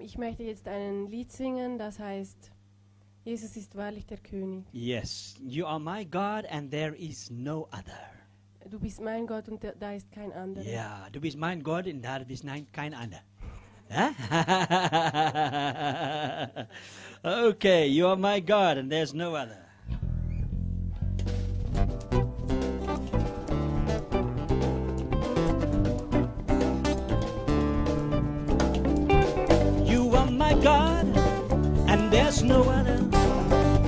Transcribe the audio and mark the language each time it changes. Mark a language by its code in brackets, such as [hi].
[de] Ich möchte jetzt ein Lied singen, das heißt Jesus ist wahrlich der König. [en] Yes, you are my God and there is no other. [de] Du bist mein Gott und da ist kein anderer. Ja, yeah, du bist mein Gott und da ist kein anderer. [en] Okay, you are my God and there's no other. You are my God and there's no other.